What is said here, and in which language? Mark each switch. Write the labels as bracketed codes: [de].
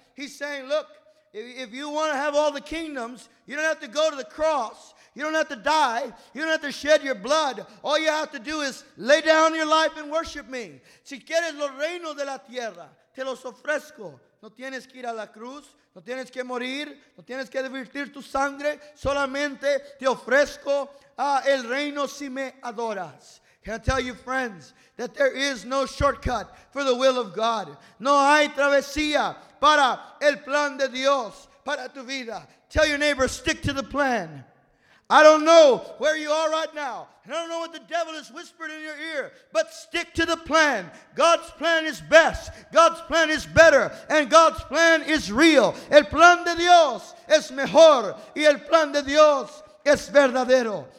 [en] He's saying, look, if you want to have all the kingdoms, you don't have to go to the cross. You don't have to die. You don't have to shed your blood. All you have to do is lay down your life and worship me. [es] Si quieres los reinos de la tierra, te los ofrezco. No tienes que ir a la cruz. No tienes que morir. No tienes que vertir tu sangre. Solamente te ofrezco el reino si me adoras. [en] Can I tell you, friends, that there is no shortcut for the will of God. [es] No hay travesía para el plan de Dios para tu vida. [en] Tell your neighbor, stick to the plan. I don't know where you are right now. And I don't know what the devil has whispered in your ear. But stick to the plan. God's plan is best. God's plan is better. And God's plan is real. [es] El plan de Dios es mejor. Y el plan de Dios es verdadero.